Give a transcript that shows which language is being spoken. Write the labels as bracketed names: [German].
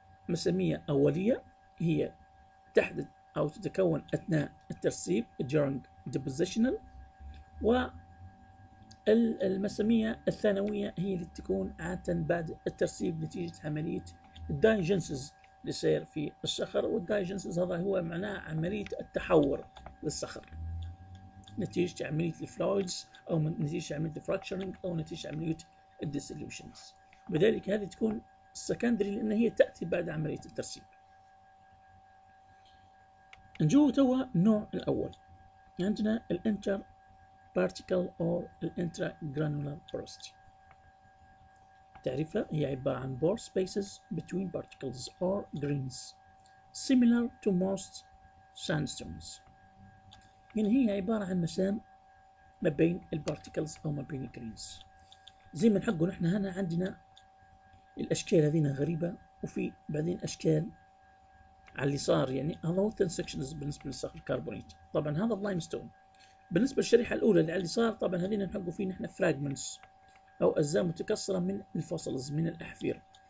[Arabic] مسامية أولية هي تحدث أو تتكون أثناء الترسيب [English] during depositional، [Arabic] و المسامية الثانوية هي اللي تكون عادة بعد الترسيب نتيجة عملية الدايجنسز اللي يصير في الصخر، والدايجنسز هذا هو معناه عملية التحور للصخر نتيجة عملية الفلويدز أو نتيجة عملية الفراكشرنج أو نتيجة عملية الديسوليوشنز. بذلك هذه تكون السكندري لأن هي تأتي بعد عملية الترسيب. نجو توا النوع الأول عندنا الانتر [English] particle or intragranular porosity. [Arabic] تعريفها هي عبارة عن [English] pore spaces between particles or grains similar to most sandstones. [Arabic] يعني هي عبارة عن مسام ما بين البارتيكلز أو ما بين الجرينز. زي ما نحقوا نحن هنا عندنا الأشكال هذين غريبة، وفي بعدين أشكال على اللي صار يعني هذا هو thin sections بالنسبة للصخر الكربونيت. طبعا هذا limestone. بالنسبة للشريحة الأولى اللي على اللي صار طبعا هذين نحقوا فيه نحن fragments أو أجزاء متكسرة من الفوسلز من الأحفير.